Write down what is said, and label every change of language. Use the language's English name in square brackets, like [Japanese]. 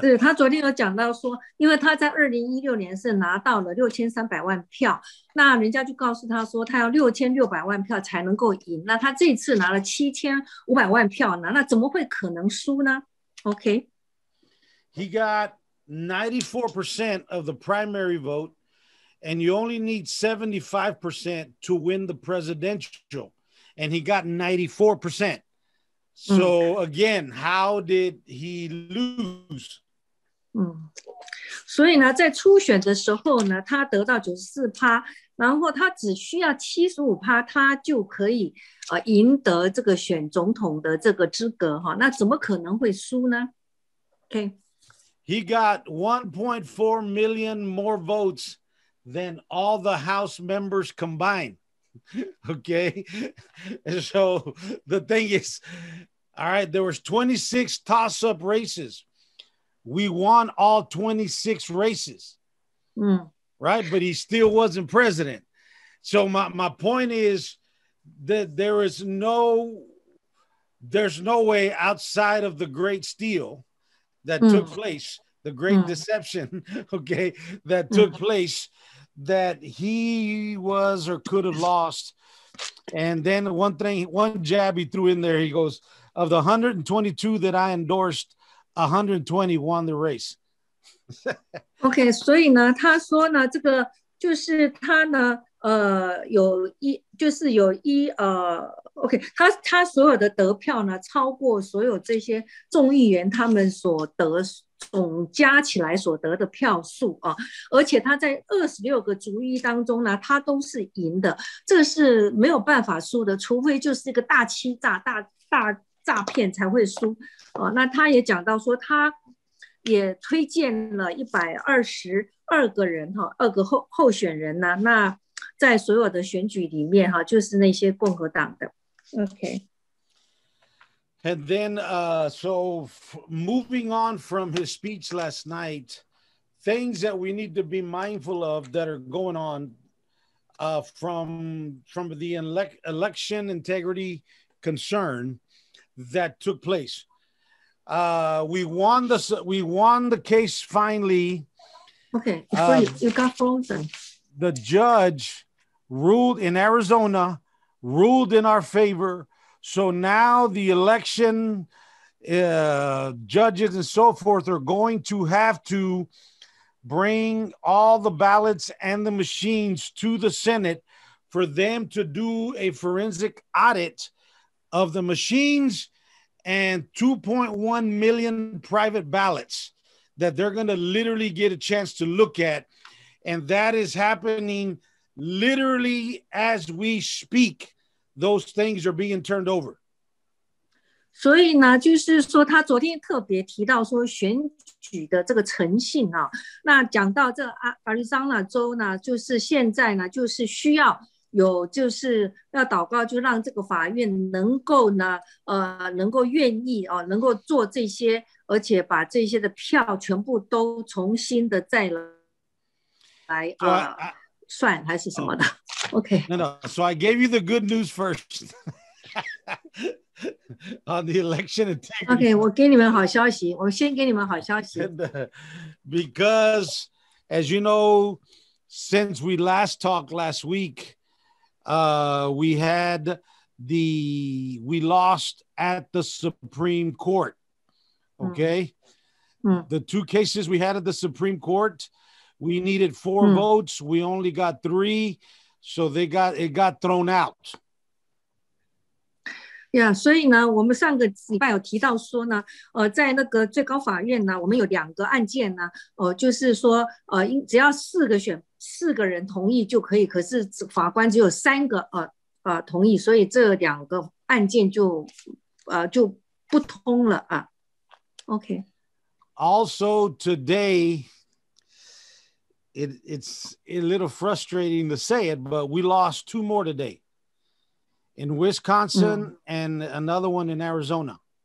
[Chinese] 是他昨天有讲到说，因为他在2016年是拿到了6300万票，那人家就告诉他说，他要6600万票才能够赢。那他这次拿了7500万票呢，那怎么会可能输呢 ？OK. [English] He got 94% of the primary vote, and you only need 75% to win the presidential, and he got 94%. So again, how did he lose? [Chinese] 所以呢，在初选的时候呢，他得到94%，然后他只需要75%，他就可以赢得这个选总统的这个资格哈。那怎么可能会输呢 ？Okay, [English] he got 1.4 million more votes than all the House members combined. Okay, so the thing is. All right, there was 26 toss-up races. We won all 26 races, right? But he still wasn't president. So my point is that there's no way outside of the great steal that took place, the great deception, okay, that took place that he was or could have lost. And then one jab he threw in there, he goes,Of the 122 that I endorsed, 120 won the race. [Chinese] okay, 所以呢，他说呢，这个就是他呢，有一就是有一okay, 他所有的得票呢，超过所有这些众议员他们所得总加起来所得的票数啊，而且他在26个族裔当中呢，他都是赢的，这是没有办法输的，除非就是一个大欺诈，大诈骗才会输那他也讲到说他也推荐了122个人2个候选人呢、啊、那在所有的选举里面、啊、就是那些共和党的 OK [English] and then so moving on from his speech last night things that we need to be mindful of that are going on from the election integrity concernThat took place. We won the case finally. Okay, so you got frozen. The judge ruled in Arizona, ruled in our favor, So now the election judges and so forth are going to have to bring all the ballots and the machines to the Senate for them to do a forensic audit of the machines and 2.1 million private ballots that they're going to literally get a chance to look at. And that is happening literally as we speak. Those things are being turned over. [Chinese] 所以呢，就是说他昨天特别提到说选举的这个诚信啊，那讲到这亚利桑那州呢，就是现在呢，就是需要有就是要祷告，就让这个法院能够呢，能够愿意啊，能够做这些，而且把这些的票全部都重新的再来啊。算还是什么的、 oh. OK [English] no, no. So I gave you the good news first on the election integrity. [Chinese] OK 我给你们好消息我先给你们好消息 [English] Because as you know since we last talked last week we had the we lost at the Supreme Court OK、The two cases we had at the Supreme CourtWe needed four votes. We only got three. So it got thrown out. [Chinese] Yeah, 所以呢我们上个礼拜有提到说呢在那个最高法院呢我们有两个案件呢就是说只要四个人同意就可以可是法官只有三个同意所以这两个案件就不通了啊。 OK. [English] Also today,It's a little frustrating to say it, but we lost two more today in Wisconsin and another one in Arizona.